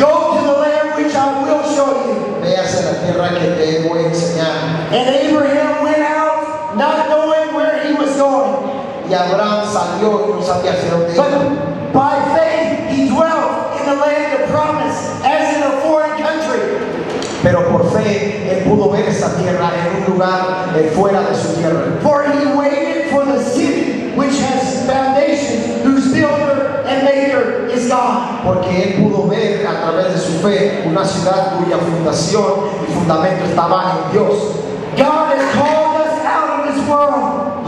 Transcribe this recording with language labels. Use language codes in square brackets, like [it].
[en] Go to the land which I will show you. [es] Ve hacia la tierra que te voy a enseñar. [en] And Abraham went out not knowing where he was going. [es] Y Abraham salió y no sabía hacia dónde iba. [en] But by faith he dwelt in the land of promise as in a foreign country. [es] Pero por fe él pudo ver esa tierra en un lugar fuera de su tierra. [en] For he waited for the city which has foundations, whose builder and maker is God. [es] Porque él pudo ver a través de su fe una ciudad cuya fundación y fundamento estaba en Dios. [en] God has called us out of this world.